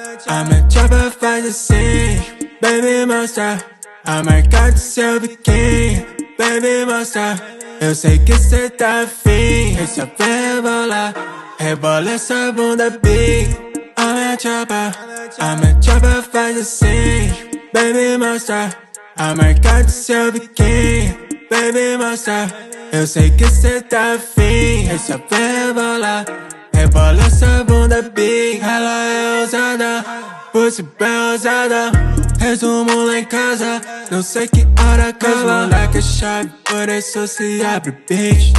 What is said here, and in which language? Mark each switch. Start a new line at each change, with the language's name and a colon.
English: I'm a chopper for the scene, baby monster. I might got to sell the king, baby monster.
Portuguese: Eu sei que cê tá afim, esse é pra rebolar. Rebola essa bunda big.
English: I'm a chopper for the scene, baby monster. I might got to sell the king, baby monster.
Portuguese: Eu sei que cê tá afim, esse é pra rebolar. Rebola essa bunda big, ela é ousada, pussy bem ousada. Resumo lá em casa, não sei que hora acaba. Mas moleque é chave, por isso se abre, bitch.